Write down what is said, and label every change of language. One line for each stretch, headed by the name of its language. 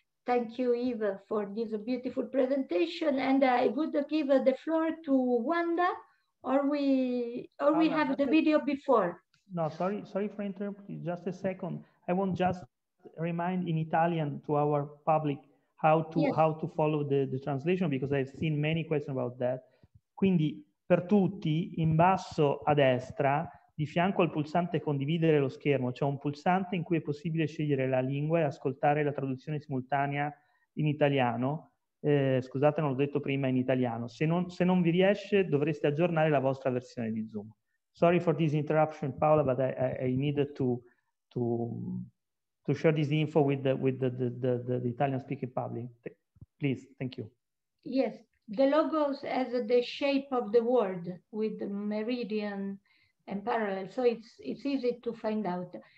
English: Thank you, Eva, for this beautiful presentation. And I would give the floor to Wanda, or we have the video before. No, sorry for interrupting. Just a second. I want just remind in Italian to our public how to follow the translation, because I've seen many questions about that.
Italian: Quindi per tutti, in basso a destra, di fianco al pulsante condividere lo schermo, c'è un pulsante in cui è possibile scegliere la lingua e ascoltare la traduzione simultanea in italiano. Scusate, non l'ho detto prima in italiano. Se non vi riesce, dovreste aggiornare la vostra versione di Zoom.
English: Sorry for this interruption, Paola, but I needed to share this info with the Italian speaking public. Please, thank you. Yes, the logos as the shape of the word with the meridian and parallel, so it's easy to find out.